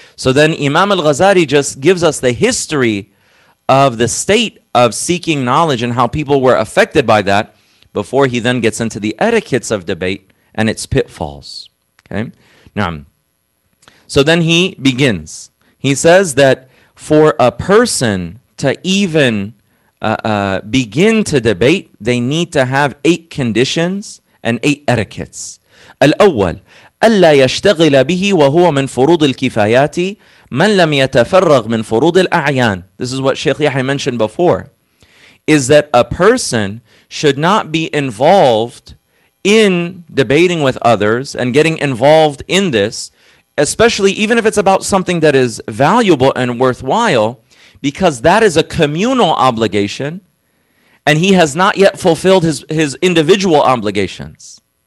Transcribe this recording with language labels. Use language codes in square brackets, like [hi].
[en] So then Imam al-Ghazali just gives us the history of the state of seeking knowledge and how people were affected by that before he then gets into the etiquettes of debate and its pitfalls. Okay, now, so then he begins. He says that for a person to even begin to debate, they need to have 8 conditions and 8 etiquettes. [ar] الأول ألا يشتغل به وهو من فروض الكفايات من لم يتفرغ من فروض الأعيان. [en] This is what Sheikh Yahya mentioned before. is that a person should not be involved in debating with others and getting involved in this, especially even if it's about something that is valuable and worthwhile, because that is a communal obligation and he has not yet fulfilled his individual obligations.